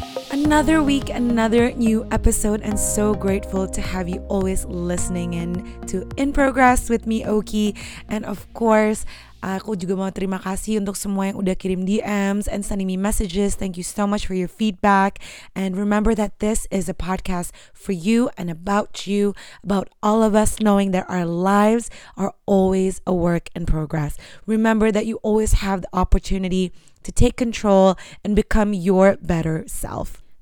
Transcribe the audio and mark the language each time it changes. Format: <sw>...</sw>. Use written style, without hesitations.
<en>Another week, another new episode, and so grateful to have you always listening in to In Progress with me, Oki. And of course,</en> <id>aku juga mau terima kasih untuk semua yang udah kirim</id> <en>DMs and sending me messages. Thank you so much for your feedback. And remember that this is a podcast for you, about all of us, knowing that our lives are always a work in progress. Remember that you always have the opportunity to take control and become your better self.</en>